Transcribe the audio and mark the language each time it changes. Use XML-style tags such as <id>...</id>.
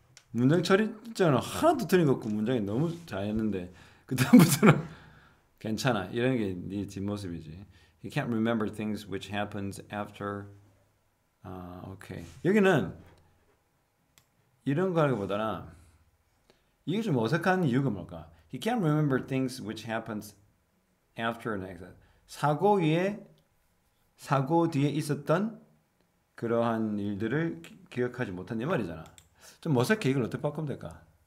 <ko>문장 처리잖아. 하나도 틀린 거 없고 문장이 너무 잘했는데 그다음부터는 괜찮아. 이런 게 네 뒷모습이지.</ko> <en>He can't remember things which happens after. Okay.</en> <ko>여기는 이런 거보다나 이게 좀 어색한 이유가 뭘까?</ko> <en>He can't remember things which happens after an accident.</en> <ko>사고 위에 사고 뒤에 있었던 그러한 일들을 기억하지 못한 이 말이잖아. 좀 어색해. 이걸 어떻게 바꾸면 될까?</ko>